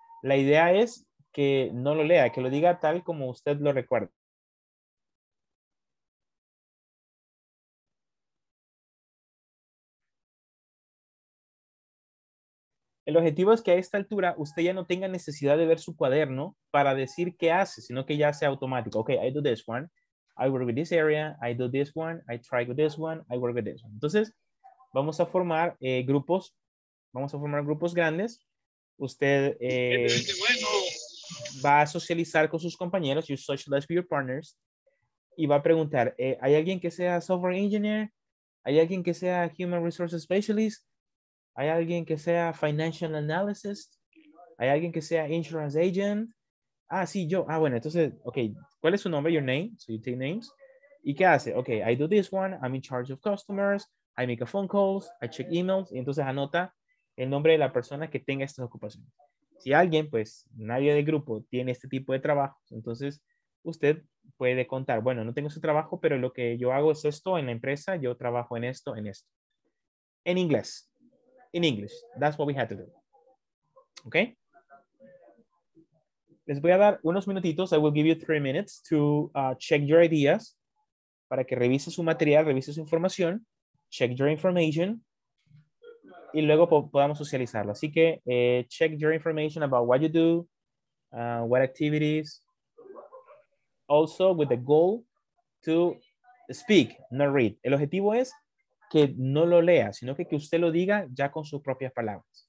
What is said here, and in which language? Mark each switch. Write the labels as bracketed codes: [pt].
[es] La idea es que no lo lea, que lo diga tal como usted lo recuerda. El objetivo es que a esta altura usted ya no tenga necesidad de ver su cuaderno para decir qué hace, sino que ya sea automático. [en] Ok, I do this one, I work with this area, I do this one, I try with this one, I work with this one. [es] Entonces, vamos a formar grupos, vamos a formar grupos grandes. Usted va a socializar con sus compañeros, [en] you socialize with your partners, [es] y va a preguntar, ¿hay alguien que sea software engineer? ¿Hay alguien que sea human resources specialist? ¿Hay alguien que sea financial analyst? ¿Hay alguien que sea insurance agent? Ah, sí, yo. Ah, bueno, entonces, ok. ¿Cuál es su nombre? [en] Your name. So you take names. [es] ¿Y qué hace? [en] Ok, I do this one. I'm in charge of customers. I make a phone calls. I check emails. [es] Y entonces anota el nombre de la persona que tenga estas ocupaciones. Si alguien, pues, nadie del grupo tiene este tipo de trabajo, entonces usted puede contar, bueno, no tengo ese trabajo, pero lo que yo hago es esto en la empresa. Yo trabajo en esto. En inglés. [en] In English, that's what we had to do. Okay? [es] Les voy a dar unos minutitos. [en] I will give you 3 minutes to check your ideas. [es] Para que revise su material, revise su información. [en] Check your information. [es] Y luego podamos socializarlo. Así que [en] check your information about what you do, what activities. Also with the goal to speak, not read. [es] El objetivo es que no lo lea, sino que usted lo diga ya con sus propias palabras.